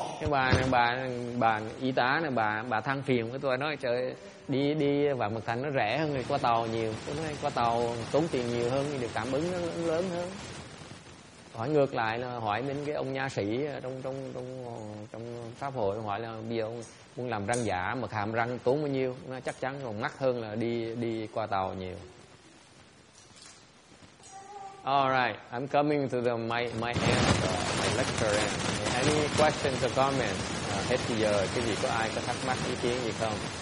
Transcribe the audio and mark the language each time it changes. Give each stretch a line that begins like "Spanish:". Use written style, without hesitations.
Vietnamese: Bà y tá, bà than phiền với tôi nói trời đi vào Mật Thành nó rẻ hơn qua tàu nhiều, qua tàu tốn tiền nhiều hơn, được cảm ứng nó lớn hơn. Hỏi ngược lại là hỏi đến cái ông nha sĩ trong pháp hội, hỏi là bây giờ ông muốn làm răng giả mà hàm răng tốn bao nhiêu, nó chắc chắn còn mắc hơn là đi qua tàu nhiều.
English: All right, I'm coming to the my end, my lecture end. Any questions or comments?
Vietnamese: Hết giờ, cái gì có ai có thắc mắc ý kiến gì không?